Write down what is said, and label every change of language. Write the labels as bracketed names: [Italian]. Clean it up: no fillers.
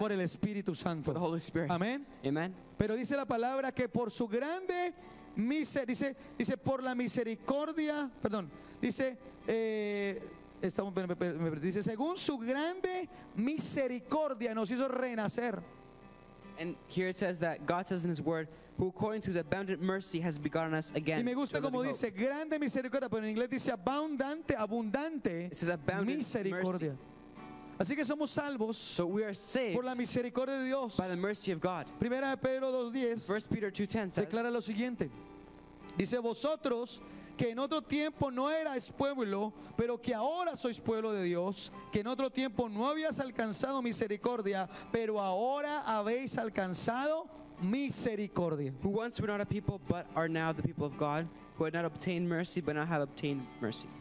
[Spanish] por el Espíritu Santo. [English] For the Holy Spirit. [Spanish] Amén. [English] Amen. [Spanish] Pero dice la palabra que por su grande dice por la misericordia, perdón, dice dice según su grande misericordia nos hizo renacer. [English] And here it says that God says in his word who according to his abundant mercy has begotten us again. [Spanish] Y me gusta como dice grande misericordia, pero en inglés dice abundante misericordia. Así que somos salvos [English] so we are saved [Spanish] por la misericordia de Dios. [English] By the mercy of God. [Spanish] Primera de Pedro 2:10. [English] First Peter 2:10 says, [Spanish] declara lo siguiente. Dice vosotros que en otro tiempo no erais pueblo, pero que ahora sois pueblo de Dios, que en otro tiempo no habías alcanzado misericordia, pero ahora habéis alcanzado misericordia. [English] Who once were not a people, but are now the people of God, who had not obtained mercy, but now have obtained mercy.